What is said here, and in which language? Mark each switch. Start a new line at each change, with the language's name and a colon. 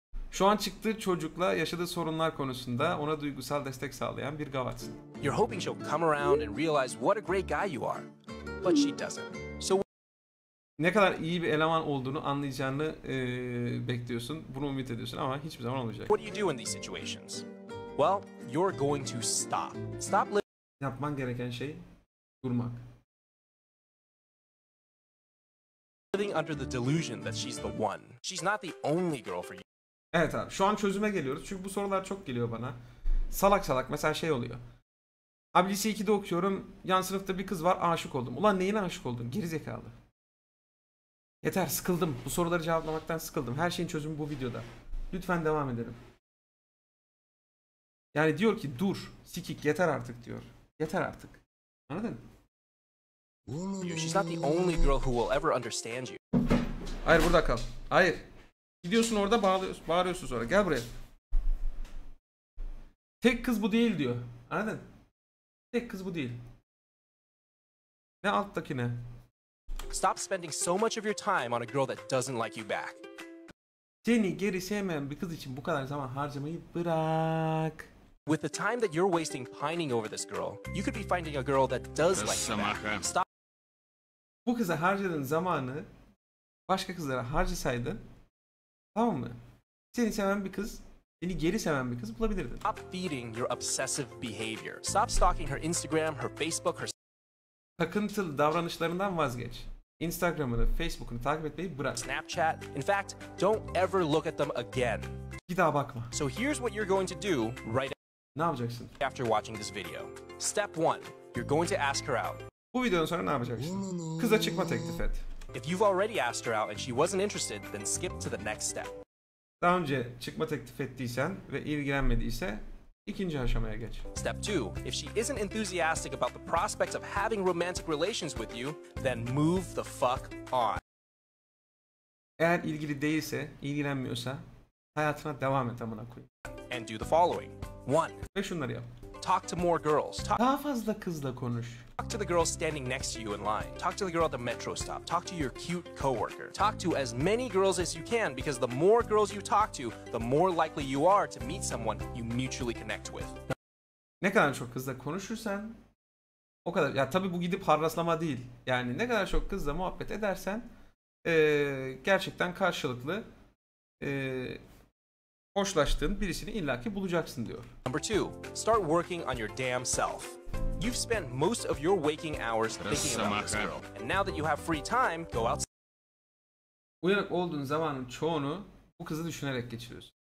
Turkish: Şu an çıktığı çocukla yaşadığı sorunlar konusunda ona duygusal destek sağlayan bir gavatsın.
English: You're hoping she'll come around and realize what a great guy you are. But she doesn't.
Turkish: So ne kadar iyi bir eleman olduğunu anlayacağını bekliyorsun. Bunu ümit ediyorsun ama hiçbir zaman olmayacak.
English: What do you do in these situations? Well, you're going to stop.
Turkish: Yapman gereken şey durmak.
English: Living under the delusion that she's the one. She's not the only girl for you.
Turkish: Evet abi, şu an çözüme geliyoruz. Çünkü bu sorular çok geliyor bana. Salak salak mesela şey oluyor. Abi lise 2'de okuyorum. Yan sınıfta bir kız var, aşık oldum. Ulan neyine aşık oldun? Gerizekalı. Yeter, sıkıldım. Bu soruları cevaplamaktan sıkıldım. Her şeyin çözümü bu videoda. Lütfen devam edelim. Yani diyor ki dur, sikik, yeter artık diyor. Yeter artık. Anladın?
English: She's not the only girl who will ever understand you.
Turkish: Hayır, burada kal. Hayır. Gidiyorsun orada bağırıyorsun sonra. Gel buraya. Tek kız bu değil diyor. Anladın? Tek kız bu değil. Ne alttaki ne?
English: Stop spending so much of your time on a girl that doesn't like you back.
Turkish: Seni geri sevmeyen bir kız için bu kadar zaman harcamayı bırak.
English: With the time that you're wasting pining over this girl, you could be finding a girl that does like you back. Stop.
Turkish: Bu kıza harcadığın zamanı başka kızlara harcasaydın, tamam mı? Seni seven bir kız, seni geri seven bir kız bulabilirdin.
English: Stop feeding your obsessive behavior. Stop stalking her Instagram, her Facebook, her...
Turkish: Takıntılı davranışlarından vazgeç. Instagram'ını, Facebook'unu takip etmeyi bırak. Snapchat.
English: In fact, don't ever look at them again.
Turkish: Bir daha bakma.
English: So here's what you're going to do right
Turkish: ne yapacaksın?
English: After watching this video. Step 1. You're going to ask her out.
Turkish: Bu videodan sonra ne yapacaksın? Kıza çıkma teklif et.
English: If you've already asked her out and she wasn't interested, then skip to the next step.
Turkish: Daha önce çıkma teklif ettiysen ve ilgilenmediyse ikinci aşamaya geç.
English: Step 2. If she isn't enthusiastic about the prospects of having romantic relations with you, then move the fuck on.
Turkish: Eğer ilgili değilse, ilgilenmiyorsa hayatına devam et amına koyayım.
English: And do the following. 1.
Turkish: Ve şunları yap.
English: Talk to more girls.
Turkish: Daha fazla kızla konuş.
English: Talk to the girl standing next to you in line. Talk to the girl at the metro stop. Talk to your cute coworker. Talk to as many girls as you can because the more girls you talk to, the more likely you are to meet someone you mutually connect with.
Turkish: Ne kadar çok kızla konuşursan o kadar ya tabii bu gidip harraslama değil. Yani ne kadar çok kızla muhabbet edersen gerçekten karşılıklı hoşlaştığın birisini illaki bulacaksın diyor.
English: Number 2. Start working on your damn self. You've spent most of your waking hours thinking about this girl. And now that you have free time, go outside.
Turkish: Uyanık olduğun zamanın çoğunu bu kızı düşünerek geçiriyorsun.